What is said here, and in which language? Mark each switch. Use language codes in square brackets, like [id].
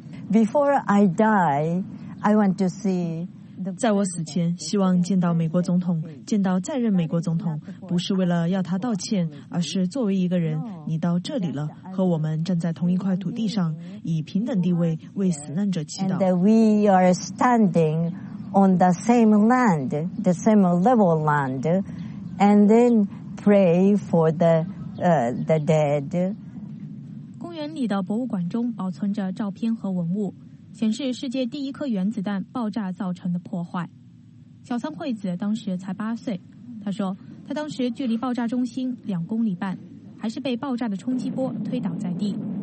[en] Before I die, I want to see... [zh] 在我死前，希望见到美国总统，见到在任美国总统，不是为了要他道歉，而是作为一个人，你到这里了，和我们站在同一块土地上，以平等地位为死难者祈祷。 [en] We are standing on the same land, the same level land, and then pray for the dead. [zh] 公园里的博物馆中保存着照片和文物，显示世界第一颗原子弹爆炸造成的破坏。小仓惠子当时才8岁，她说她当时距离爆炸中心2公里半，还是被爆炸的冲击波推倒在地。